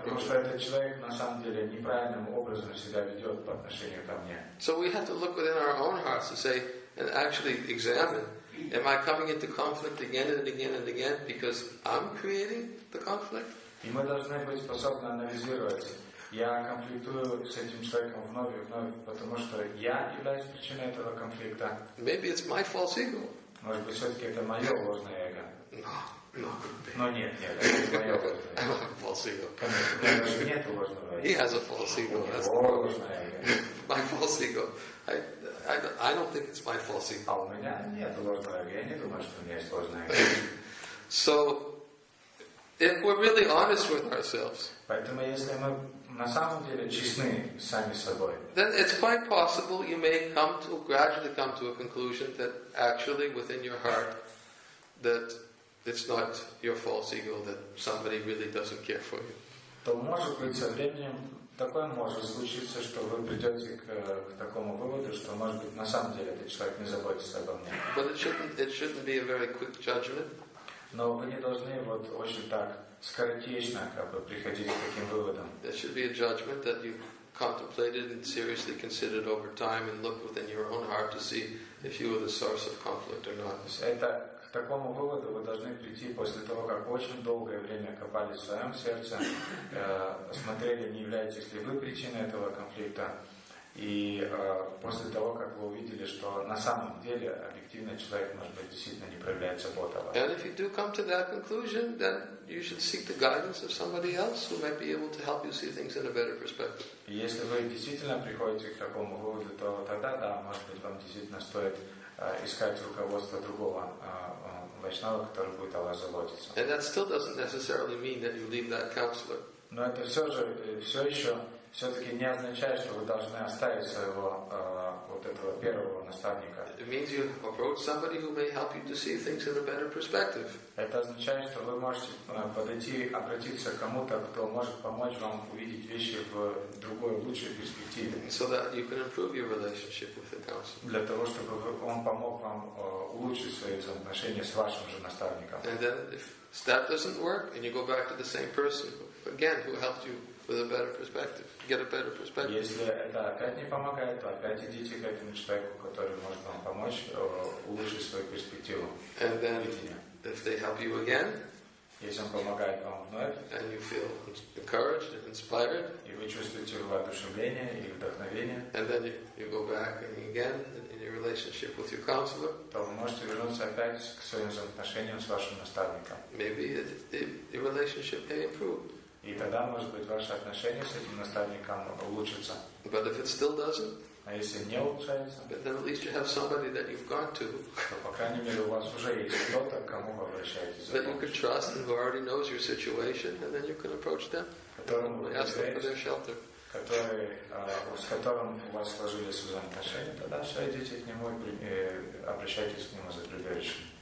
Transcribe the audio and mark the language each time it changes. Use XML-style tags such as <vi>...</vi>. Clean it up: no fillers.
<ru>Потому что этот человек на самом деле неправильным образом себя ведет по отношению ко мне.</ru> <en>So we have to look within our own hearts to say and actually examine. Am I coming into conflict again and again and again because I'm creating the conflict?</en> <ru>И мы должны быть способны анализировать. Я конфликтую с этим человеком вновь и вновь, потому что я являюсь причиной этого конфликта.</ru> <en>Maybe it's my false ego.</en> <ru>Может быть, все-таки это мое ложное эго.</ru> <en>No.</en> <ru>Но нет, это мое ложное.</ru> <en>I'm a false ego.</en> <ru>Нет ложного эго.</ru> <en>He has a false ego.</en> <ru>У него ложное эго.</ru> <en>My false ego. I don't think it's my false ego.</en> <ru>А у меня нет ложного эго. Я не думаю, что у меня есть ложное эго.</ru> <en>So, If we're really honest with ourselves,</en> <ru>поэтому если мы на самом деле честны сами собой,</ru> <en>then it's quite possible you may gradually come to a conclusion that actually within your heart that it's not your false ego that somebody really doesn't care for you.</en> <ru>То может быть со временем такое может случиться, что вы придете к такому выводу, что может быть на самом деле этот человек не заботится обо мне.</ru> <en>But it shouldn't be a very quick judgment.</en> <ru>Но вы не должны вот очень так скоротечно как бы приходить к таким выводам.</ru> <en>It should be a judgment that you contemplated and seriously considered over time and looked within your own heart to see if you were the source of conflict or not.</en> <ru>Это к такому выводу вы должны прийти после того, как очень долгое время копали в своем сердце, смотрели, не являетесь ли вы причиной этого конфликта, и после того, как вы увидели, что на самом деле объективно человек, может быть, действительно не проявляет заботу о вас.</ru> <en>And if you do come to that conclusion, then you should seek the guidance of somebody else who might be able to help you see things in a better perspective.</en> <ru>Если вы действительно приходите к такому выводу, то тогда, да, может быть, вам действительно стоит искать руководство другого вайшнава, который будет о вас заботиться.</ru> <en>And that still doesn't necessarily mean that you leave that counselor.</en> <ru>Но это все еще все-таки не означает, что вы должны оставить своего вот этого первого наставника.</ru> <en>It means you approach somebody who may help you to see things in a better perspective.</en> <ru>Это означает, что вы можете подойти, обратиться к кому-то, кто может помочь вам увидеть вещи в другой, лучшей перспективе.</ru> <en>So that you can improve your relationship with the counselor.</en> <ru>Для того, чтобы он помог вам улучшить свои взаимоотношения с вашим же наставником.</ru> <en>And then if that doesn't work, and you go back to the same person again who helped you with a better perspective, get a better perspective.</en> <ru>Если это опять не помогает, то опять идите к этому человеку, который может вам помочь улучшить свою перспективу.</ru> <en>And then, if they help you again,</en> <ru>если он помогает вам вновь,</ru> <en>and you feel encouraged and inspired,</en> <ru>и вы чувствуете воодушевление и вдохновение,</ru> <en>and then you go back again in your relationship with your counselor,</en> <ru>то вы можете вернуться опять к своим взаимоотношениям с вашим наставником.</ru> <en>Maybe the relationship may improve.</en> <ru>И тогда, может быть, ваши отношения с этим наставником улучшатся.</ru> <en>But if it still doesn't,</en> <ru>а если не улучшается,</ru> <en>but then at least you have somebody that you've gone to,</en> <ru>то, по крайней мере, у вас уже есть кто-то, к кому вы обращаетесь.</ru> <en>That you can trust and who already knows your situation, and then you can approach them, ask them for their shelter.</en> <ru>С которым у вас сложились взаимоотношения, тогда все, идите к нему и обращайтесь к нему за прибежищем.</ru>